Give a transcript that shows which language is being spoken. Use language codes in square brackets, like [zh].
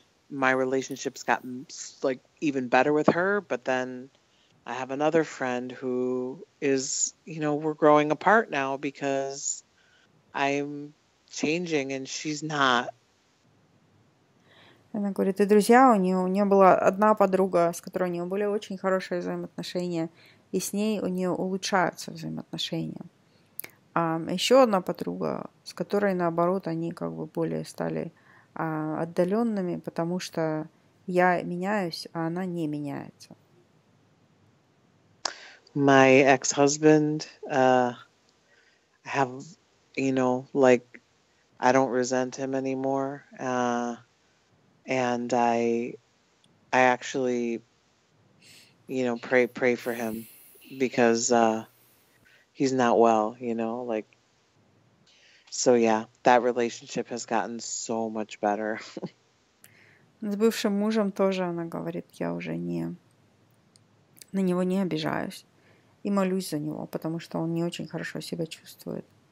[en] My relationship's gotten like even better with her. But then I have another friend who is, you know, we're growing apart now because I'm changing and she's not. [ru] Она говорит, и друзья, у нее была одна подруга, с которой у нее были очень хорошие взаимоотношения, и с ней у нее улучшаются взаимоотношения. Еще одна подруга, с которой, наоборот, они как бы более стали отдаленными, потому что я меняюсь, а она не меняется. [en] My ex-husband, have, you know, like, I don't resent him anymore. And I actually, you know, pray for him, because... he's not well, you know, like, so yeah, that relationship has gotten so much better. [ru] С бывшим мужем тоже она говорит, я уже не, на него не обижаюсь и молюсь за него, потому что он не очень хорошо себя чувствует.